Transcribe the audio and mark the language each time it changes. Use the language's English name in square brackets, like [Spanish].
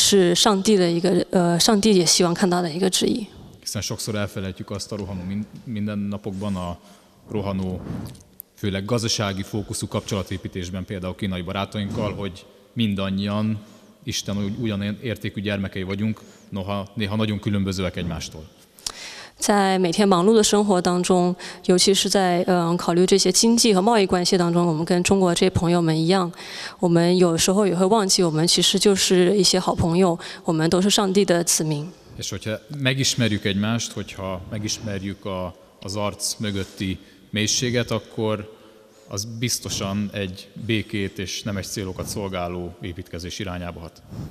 [Chinese] 在我们现在这个情况下，至少我是这么认为的。人民族和文化的一个传承，是上帝的一个上帝也希望看到的一个旨意。 [Hungarian] Hiszen sokszor elfelejtjük azt a rohanó mindennapokban, a rohanó, főleg gazdasági fókuszú kapcsolatépítésben, például kínai barátainkkal, hogy mindannyian Isten ugyanilyen értékű gyermekei vagyunk, noha néha nagyon különbözőek egymástól. [Chinese] 在每天忙碌的生活当中，尤其是在考虑这些经济和贸易关系当中，我们跟中国这些朋友们一样，我们有时候也会忘记，我们其实就是一些好朋友，我们都是上帝的子民。 [Hungarian] És hogyha megismerjük egymást, hogyha megismerjük az arc mögötti mélységet, akkor az biztosan egy békét és nemes célokat szolgáló építkezés irányába hat.